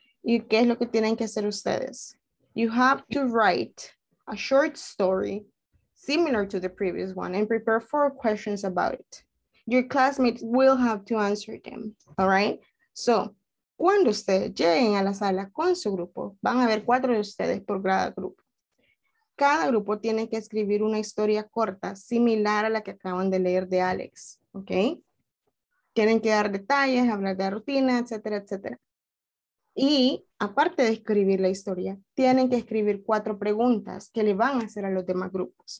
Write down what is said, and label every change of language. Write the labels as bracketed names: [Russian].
[Spanish] ¿Y qué es lo que tienen que hacer ustedes? [English] You have to write a short story similar to the previous one and prepare four questions about it. Your classmates will have to answer them, all right? [Spanish] So, cuando ustedes lleguen a la sala con su grupo, van a ver cuatro de ustedes por cada grupo. Cada grupo tiene que escribir una historia corta similar a la que acaban de leer de Alex, ¿ok? Tienen que dar detalles, hablar de la rutina, etcétera, etcétera. Y aparte de escribir la historia, tienen que escribir cuatro preguntas que le van a hacer a los demás grupos.